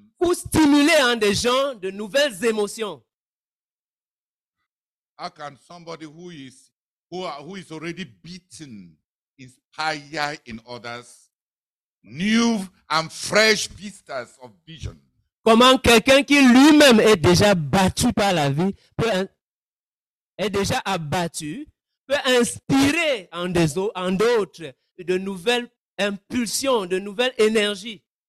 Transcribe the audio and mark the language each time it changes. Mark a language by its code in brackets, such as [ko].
[fr] Pour stimuler en des gens de nouvelles émotions. [en] How can somebody who is already beaten inspire in others? New and fresh vistas of vision. [fr] Comment quelqu'un qui lui-même est déjà battu par la vie peut inspirer en d'autres de nouvelles impulsions, de nouvelles énergies.